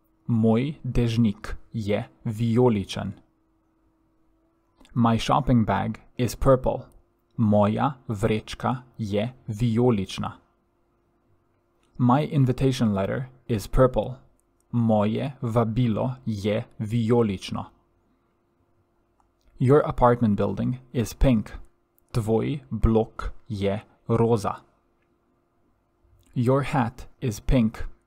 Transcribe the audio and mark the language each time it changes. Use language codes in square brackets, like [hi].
[sl] Moj dežnik je vijoličen. [en] My shopping bag is purple. [sl] Moja vrečka je vijolična. [en] My invitation letter is purple. [sl] Moje vabilo je vijolično. [en] Your apartment building is pink. [sl] Tvoj blok je roza. [en] Your hat is pink.